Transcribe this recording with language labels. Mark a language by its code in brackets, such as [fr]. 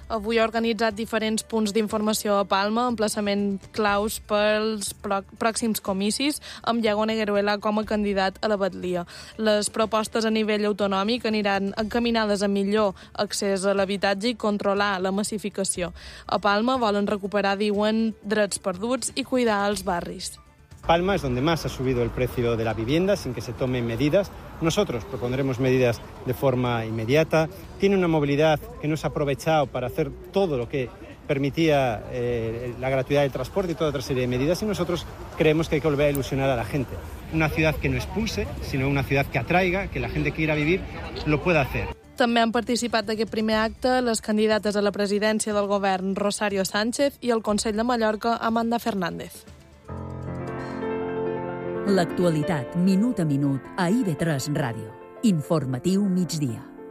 [ca] Avui ha organitzat diferents punts d'informació a Palma, emplaçament claus pels pròxims comicis, amb Iago Negueruela com a candidat a la batllia. Les propostes a nivell autonòmic aniran encaminades a millor accés a l'habitatge i controlar la massificació. A Palma volen recuperar, diuen, drets perduts [es] y cuidar los barrios. Palma es donde más ha subido el precio de la vivienda sin que se tomen medidas. Nosotros propondremos medidas de forma inmediata. Tiene una movilidad que no se ha aprovechado para hacer todo lo que permitía la gratuidad del transporte y toda otra serie de medidas, y nosotros creemos que hay que volver a ilusionar a la gente. Una ciudad que no expulse, sino una ciudad que atraiga, que la gente que quiera vivir lo pueda hacer. [ca] També han participat d'aquest primer acte les candidates a la presidència del govern, Rosario Sánchez, i el Consell de Mallorca, Amanda Fernández. L'actualitat, minut a minut, a IB3 Ràdio. Informatiu migdia.